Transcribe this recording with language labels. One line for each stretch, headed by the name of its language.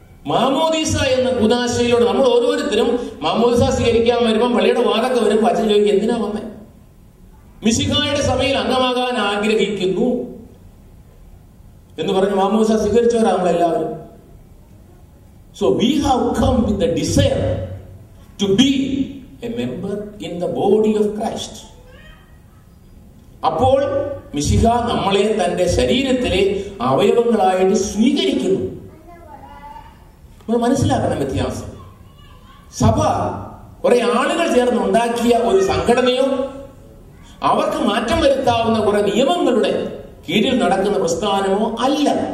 Malayalam: മാമോദീസ എന്ന കൂതാശയിലൂടെ നമ്മൾ ഓരോരുത്തരും മാമോദീസ സ്വീകരിക്കാൻ വരുമ്പോൾ പള്ളിയുടെ വാതൊക്കെ വരും, വചനം ചോദിക്കും, എന്തിനാ വന്നേ? മിശിഹായുടെ സഭയിൽ അംഗമാകാൻ ആഗ്രഹിക്കുന്നു എന്ന് പറഞ്ഞ് മാമോദീസ സ്വീകരിച്ചവരാണ് നമ്മളെല്ലാവരും.
English: So we have come with the desire to be a member in the body of Christ.
Malayalam: അപ്പോൾ മിശിഹ നമ്മളെ തന്റെ ശരീരത്തിലെ അവയവങ്ങളായിട്ട് സ്വീകരിക്കുന്നു. മനസ്സിലാക്കണം വ്യത്യാസം. സഭ കുറെ ആളുകൾ ചേർന്ന് ഉണ്ടാക്കിയ ഒരു സംഘടനയോ അവർക്ക് മാറ്റം വരുത്താവുന്ന കുറെ നിയമങ്ങളുടെ കീഴിൽ നടക്കുന്ന പ്രസ്ഥാനമോ അല്ല.